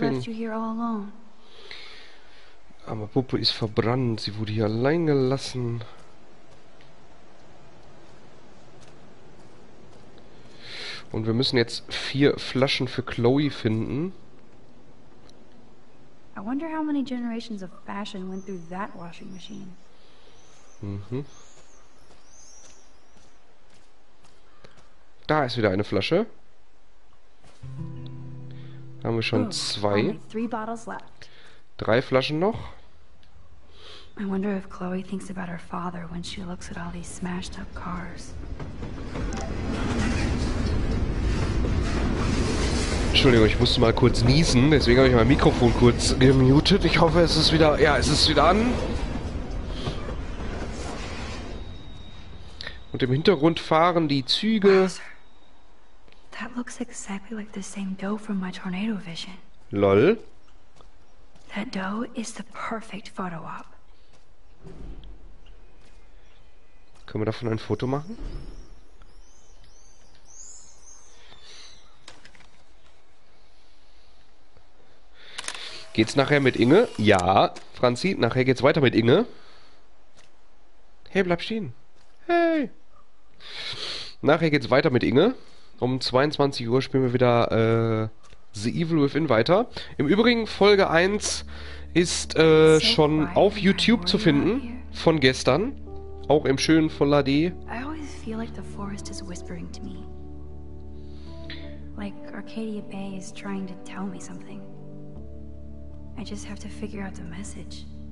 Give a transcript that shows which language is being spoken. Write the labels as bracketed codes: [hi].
[en] They left you here all alone. [de] Aber Puppe ist verbrannt. Sie wurde hier allein gelassen. Und wir müssen jetzt 4 Flaschen für Chloe finden. [en] I wonder how many generations of fashion went through that washing machine. [de] Da ist wieder eine Flasche. Da haben wir schon 2. [en] 3 bottles left. [de] 3 Flaschen noch. [en] I wonder if Chloe thinks about her father when she looks at all these smashed up cars. [de] Entschuldigung, ich musste mal kurz niesen, deswegen habe ich mein Mikrofon kurz gemutet. Ich hoffe, es ist wieder... Ja, es ist wieder an. Und im Hintergrund fahren die Züge. [en] That looks exactly like the same dough from my tornado vision. Lol. That dough is the perfect photo op. [de] Können wir davon ein Foto machen? Geht's nachher mit Inge? Ja, Franzi, nachher geht's weiter mit Inge. Hey, bleib stehen. Hey. Nachher geht's weiter mit Inge. Um 22 Uhr spielen wir wieder The Evil Within weiter. Im Übrigen, Folge 1 ist schon auf YouTube zu finden, von gestern. Auch im schönen Full HD. [en] I always feel like the forest is whispering to me. Like Arcadia Bay is trying to tell me something. I just have to figure out the message.